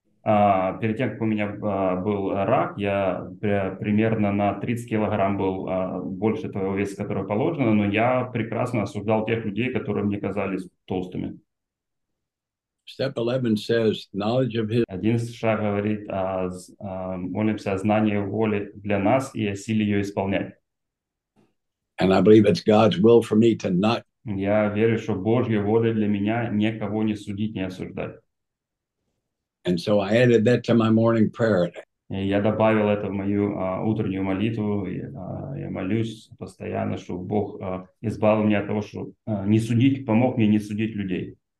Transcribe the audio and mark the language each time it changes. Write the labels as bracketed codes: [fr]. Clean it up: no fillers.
[ru] Перед тем, как у меня был рак, я примерно на 30 килограмм был больше того веса, который положено, но я прекрасно осуждал тех людей, которые мне казались толстыми. [en] Step 11 says, knowledge of his... [ru] Один шаг говорит, молимся о знании воли для нас и о силе ее исполнять. [en] And I believe it's God's will for me to not... [ru] Я верю, что Божья воля для меня никого не судить, не осуждать. И я добавил это в мою утреннюю молитву. Я молюсь постоянно, чтобы Бог избавил меня от того, чтобы не судить, помог мне не судить людей.